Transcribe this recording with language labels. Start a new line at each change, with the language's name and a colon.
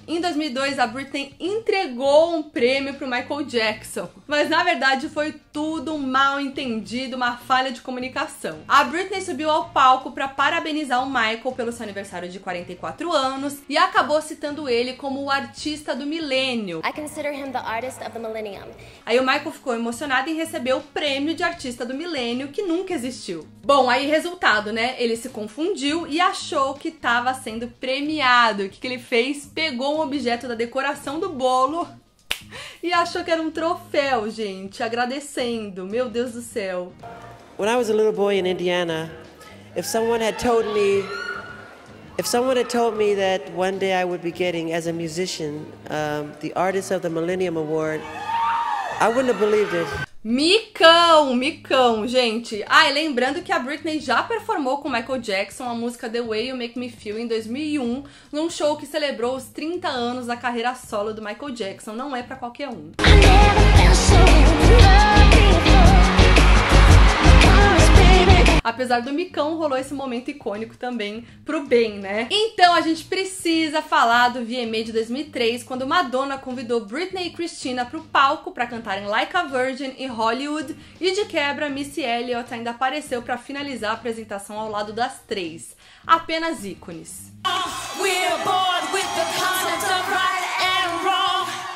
Portuguese: Em 2002, a Britney entregou um prêmio pro Michael Jackson. Mas, na verdade, foi tudo um mal entendido, uma falha de comunicação. A Britney subiu ao palco pra parabenizar o Michael pelo seu aniversário de 44 anos e acabou citando ele como o artista do milênio.
English: I consider him the artist of the millennium.
Portuguese: Aí o Michael ficou emocionado em receber o prêmio de artista do milênio, que nunca existiu. Bom, aí resultado, né? Ele se confundiu e achou que estava sendo premiado. O que que ele fez? Pegou um objeto da decoração do bolo e achou que era um troféu, gente, agradecendo. Meu Deus do céu.
English: When I was a little boy in Indiana, if someone had told me that one day I would be getting as a musician, the artist of the Millennium Award, I wouldn't have believed it.
Portuguese: Micão, micão, gente. Ah, e lembrando que a Britney já performou com Michael Jackson a música The Way You Make Me Feel em 2001, num show que celebrou os 30 anos da carreira solo do Michael Jackson. Não é pra qualquer um. Apesar do micão, rolou esse momento icônico também pro bem, né? Então, a gente precisa falar do VMA de 2003, quando Madonna convidou Britney e Christina pro palco pra cantarem Like a Virgin e Hollywood, e de quebra, Missy Elliott ainda apareceu pra finalizar a apresentação ao lado das três. Apenas ícones.
English: We're bored with the concept of right and wrong.